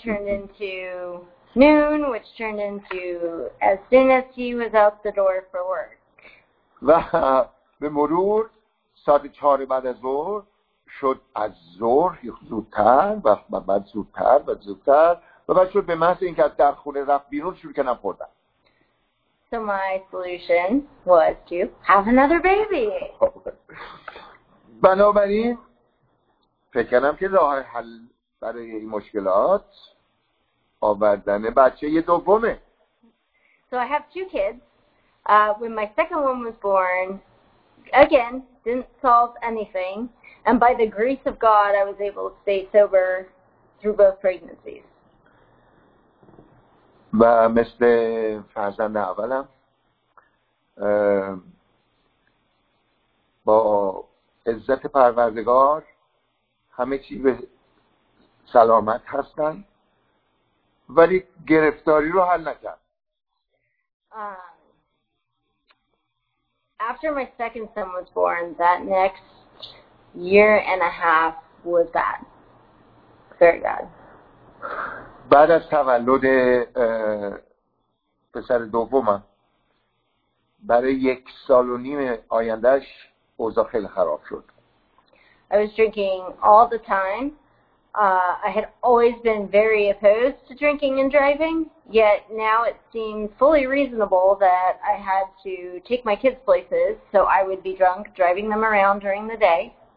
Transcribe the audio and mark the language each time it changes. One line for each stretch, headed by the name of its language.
English: turned into noon, which turned into as soon as he was out the door for work.
Persian: و به مرور ساعت 4 بعد از ظهر شد از ظهر زودتر و بعد زودتر و زودتر و بعد شد به محض اینکه از در خونه رفت بیرون شروع کردم خوردن.
English: So my solution was to have another baby.
Persian: بنابراین فکر کردم که راه حل برای این مشکلات آوردن بچه یه دومه.
English: So I have 2 kids. When my second one was born, again, didn't solve anything. And by the grace of God, I was able to stay sober through both pregnancies.
Persian: و مثل فرزند اولم با عزت پروردگار همه چی به سلامت هستن ولی گرفتاری رو حل نکرد.
English: After my second son was born, that next year and a half was bad. Very bad.
Persian: بعد از تولد پسر دومم برای یک سال و نیم آیندهش اوضاع خیلی خراب شد.
English: I was drinking all the time. I had always been very opposed to drinking and driving, yet now it seemed fully reasonable that I had to take my kids places so I would be drunk driving them around during the day.